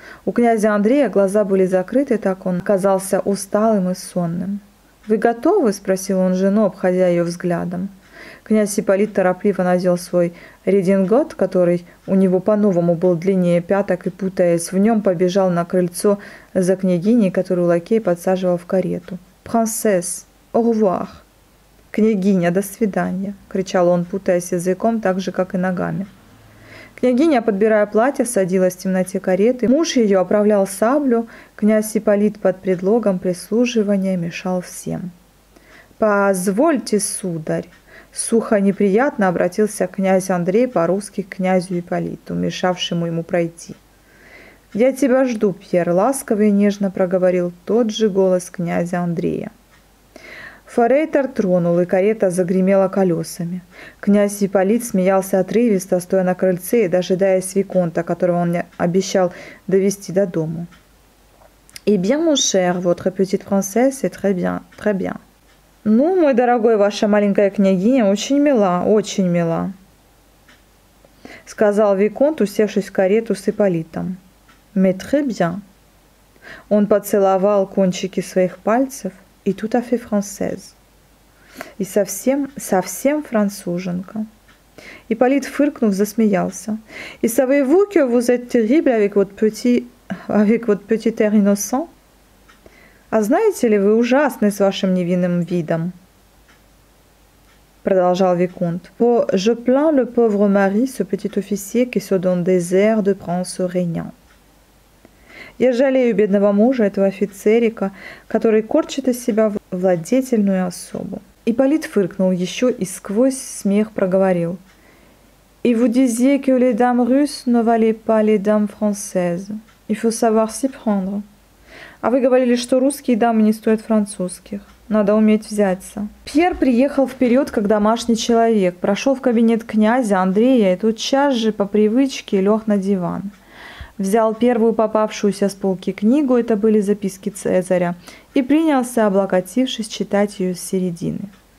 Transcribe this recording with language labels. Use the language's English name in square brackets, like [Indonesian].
[Russian] У князя Андрея глаза были закрыты, так он казался усталым и сонным. «Вы готовы?» – спросил он жену, обходя ее взглядом. Князь Ипполит торопливо надел свой редингот, который у него по-новому был длиннее пяток, и, путаясь в нем, побежал на крыльцо за княгиней, которую лакей подсаживал в карету. [French] «Принцесс, au revoir!» [Russian] «Княгиня, до свидания!» – кричал он, путаясь языком так же, как и ногами. Княгиня, подбирая платье, садилась в темноте кареты. Муж ее оправлял саблю. Князь Ипполит под предлогом прислуживания мешал всем. «Позвольте, сударь!» Сухо неприятно обратился князь Андрей по-русски к князю Ипполиту, мешавшему ему пройти. «Я тебя жду, Пьер», — ласково и нежно проговорил тот же голос князя Андрея. Форейтор тронул, и карета загремела колесами. Князь Ипполит смеялся отрывисто, стоя на крыльце и дожидаясь виконта, которого он обещал довести до дому. [French] «Et bien, mon cher, votre petite princesse est très bien, très bien». [Russian] «Ну, мой дорогой, ваша маленькая княгиня очень мила, очень мила», — сказал виконт, усевшись в карету с Ипполитом. [French] «Mais très bien». [Russian] Он поцеловал кончики своих пальцев. [French] «И tout à fait française». [Russian] «И совсем, совсем француженка». Ипполит, фыркнув, засмеялся. [French] «И savez-vous que vous êtes terrible avec votre petit air innocent?» [Russian] «А знаете ли, вы ужасны с вашим невинным видом», — продолжал виконт. [French] «Je plains le pauvre mari, ce petit officier qui se donne des airs de prince régnant». [Russian] «Я жалею бедного мужа, этого офицерика, который корчит из себя владетельную особу». Ипполит фыркнул еще и сквозь смех проговорил. [French] «И vous disiez que les dames russes ne valaient pas les dames françaises. Il faut savoir s'y prendre». [Russian] «А вы говорили, что русские дамы не стоят французских. Надо уметь взяться». Пьер приехал вперед, как домашний человек, прошел в кабинет князя Андрея и тотчас же по привычке лег на диван. Взял первую попавшуюся с полки книгу, это были записки Цезаря, и принялся, облокотившись, читать ее с середины.